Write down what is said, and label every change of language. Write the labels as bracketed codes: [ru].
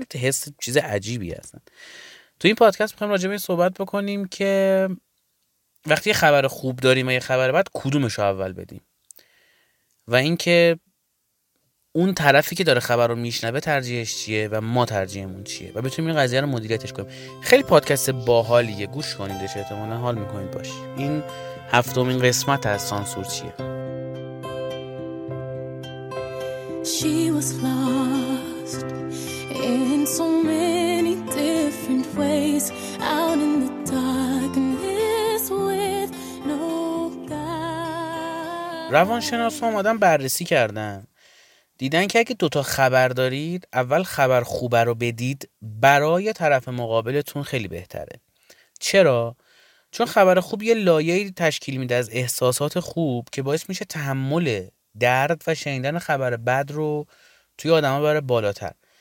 [fa] خیلی حس چیز عجیبی هستن. تو این پادکست میخوایم راجع به این صحبت بکنیم که وقتی یه خبر خوب داریم و یه خبر بد، کدومش رو اول بدیم، و اینکه اون طرفی که داره خبر رو میشنوه ترجیحش چیه و ما ترجیحمون چیه، و بتونیم این قضیه رو مدیریتش کنیم. خیلی پادکست باحالیه، گوش کنیدش، احتمالاً حال میکنید باش. این هفتمین قسمت از سانسور چیه. [en] She was lost in so many different ways, out in the darkness with no guide. [fa] روانشناسا اومدن بررسی کردن، دیدن که اگه دوتا خبر دارید، اول خبر خوبه رو بدید برای طرف مقابلتون خیلی بهتره. چرا؟ چون خبر خوب یه لایه‌ای تشکیل میده از احساسات خوب که باعث میشه تحمل درد و شنیدن خبر بد رو توی آدم ها بره بالاتر.